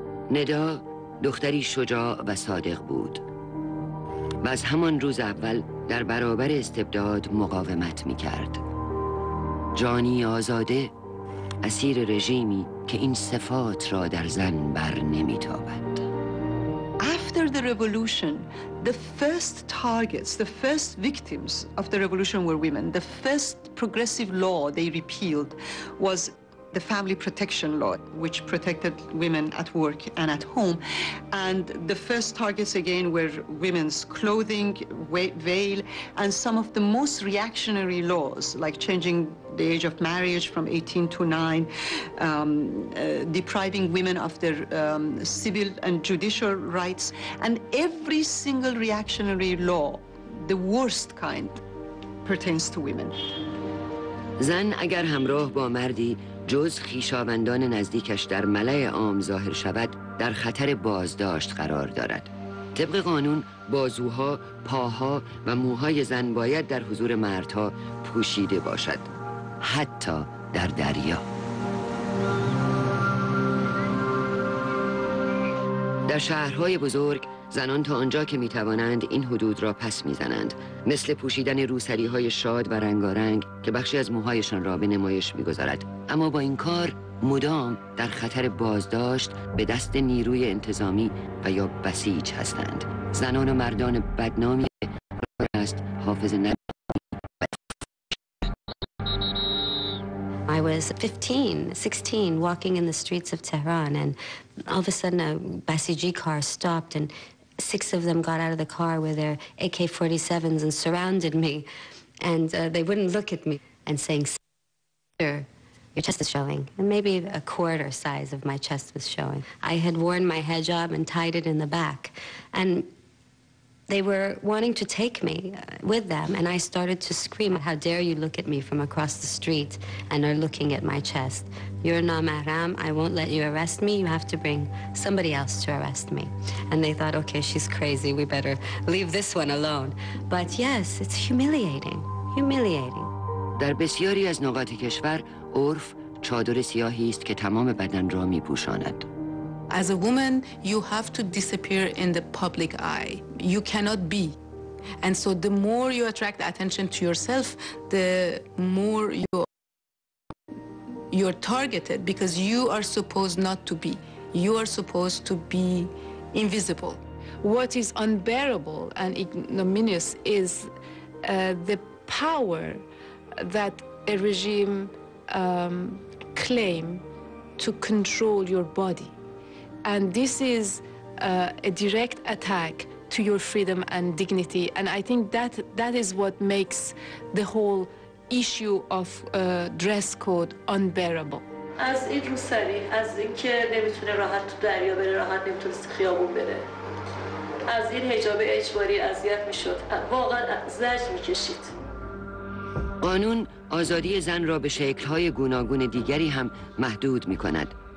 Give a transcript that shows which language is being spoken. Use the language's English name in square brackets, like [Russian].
[Persian] ندا دختری شجاع و صادق بود و از همان روز اول در برابر استبداد مقاومت می کرد. جانی آزاده، اسیر رژیمی که این صفات را در زن بر نمی تابد. [English] After the revolution, the first targets, the first victims of the revolution were women. The first progressive law they repealed was the family protection law, which protected women at work and at home. And the first targets again were women's clothing, veil, and some of the most reactionary laws, like changing the age of marriage from 18 to 9, depriving women of their civil and judicial rights. And every single reactionary law, the worst kind, pertains to women. [Persian] زن اگر همراه با مردی جز خیشاوندان نزدیکش در ملأ عام ظاهر شود، در خطر بازداشت قرار دارد. طبق قانون بازوها، پاها و موهای زن باید در حضور مردها پوشیده باشد، حتی در دریا. در شهرهای بزرگ زنان تا آنجا که می توانند این حدود را پس می زنند، مثل پوشیدن روسری های شاد و رنگارنگ که بخشی از موهایشان را به نمایش می گذارد. اما با این کار مدام در خطر بازداشت به دست نیروی انتظامی و یا بسیج هستند. زنان و مردان بدنامی قرار است حافظ ندا. [English] I was 15, 16, walking in the streets of Tehran, and all of a sudden a Basiji car stopped, and six of them got out of the car with their AK-47s and surrounded me, and they wouldn't look at me, and saying, "Sister, your chest is showing," and maybe a quarter size of my chest was showing. I had worn my hijab and tied it in the back, and they were wanting to take me with them, and I started to scream, "How dare you look at me from across the street and are looking at my chest? You're not mahram. I won't let you arrest me. You have to bring somebody else to arrest me." And they thought, okay, she's crazy. We better leave this one alone. But yes, it's humiliating, humiliating. [Persian] در بسیاری از نقاط کشور، عرف چادر سیاهی است که تمام بدن را می پوشاند. [English] As a woman, you have to disappear in the public eye. You cannot be. And so the more you attract attention to yourself, the more you're targeted, because you are supposed not to be. You are supposed to be invisible. What is unbearable and ignominious is the power that a regime claim to control your body. And this is a direct attack to your freedom and dignity. And I think that is what makes the whole issue of dress code unbearable. [Persian] از این روسری، از اینکه نمیتونه راحت تو دریا بره، راحت نمیتونه تو خیابون بره. از این حجاب اجباری اذیت میشد. واقعا زجر میکشید. قانون آزادی زن را به شکل‌های گوناگون دیگری هم محدود می‌کند.